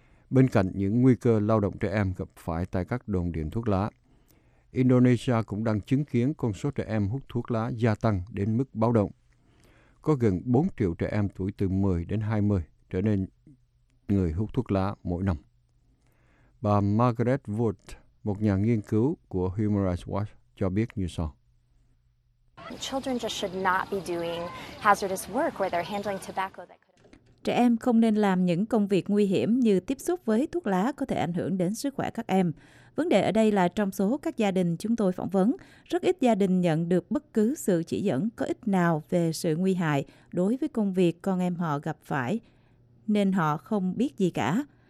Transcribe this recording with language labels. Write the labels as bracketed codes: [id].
[vi] Bên cạnh những nguy cơ lao động trẻ em gặp phải tại các đồn điền thuốc lá, Indonesia cũng đang chứng kiến con số trẻ em hút thuốc lá gia tăng đến mức báo động. Có gần 4 triệu trẻ em tuổi từ 10 đến 20 trở nên người hút thuốc lá mỗi năm. Bà Margaret Wood, một nhà nghiên cứu của Human Rights Watch, cho biết như sau. [en] Children just should not be doing hazardous work where they're handling tobacco that could... [vi] Trẻ em không nên làm những công việc nguy hiểm như tiếp xúc với thuốc lá có thể ảnh hưởng đến sức khỏe các em. Vấn đề ở đây là trong số các gia đình chúng tôi phỏng vấn, rất ít gia đình nhận được bất cứ sự chỉ dẫn có ích nào về sự nguy hại đối với công việc con em họ gặp phải, nên họ không biết gì cả.